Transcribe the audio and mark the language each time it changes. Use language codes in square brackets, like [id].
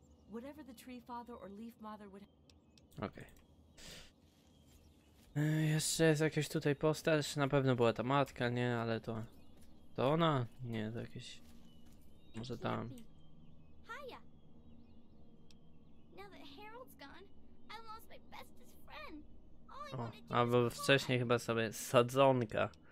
[en] Whatever the tree father or leaf mother would. [pl] Okej. Jeszcze jest jakaś tutaj postać. Na pewno była ta matka, nie? Ale to. To ona? Nie, to jakieś. Może tam. Haya! [en] Now that Harold's gone, I lost my bestest friend. [pl] O, albo wcześniej chyba sobie sadzonka.